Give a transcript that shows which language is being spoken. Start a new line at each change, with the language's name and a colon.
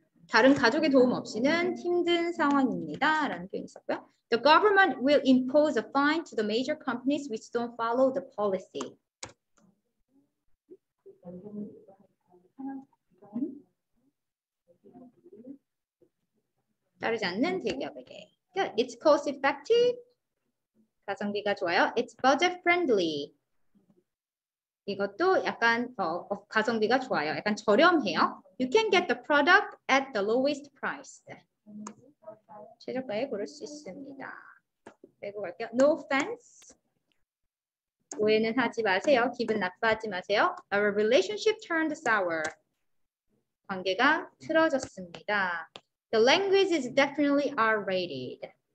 Korean: 다른 가족의 도움 없이는 힘든 상황입니다. 라는 표현이 있었고요.
English: The government will impose a fine to the major companies which don't follow the policy.
Korean: 따르지 않는 대기업에게.
English: Good. It's cost effective.
Korean: 가성비가 좋아요.
English: It's budget friendly.
Korean: 이것도 약간 가성비가 좋아요. 약간 저렴해요.
English: You can get the product at the lowest price.
Korean: 최저가에 고를 수 있습니다. 빼고 갈게요.
English: No offense.
Korean: 오해는 하지 마세요. 기분 나빠하지 마세요.
English: Our relationship turned sour.
Korean: 관계가 틀어졌습니다.
English: The language is definitely R-rated.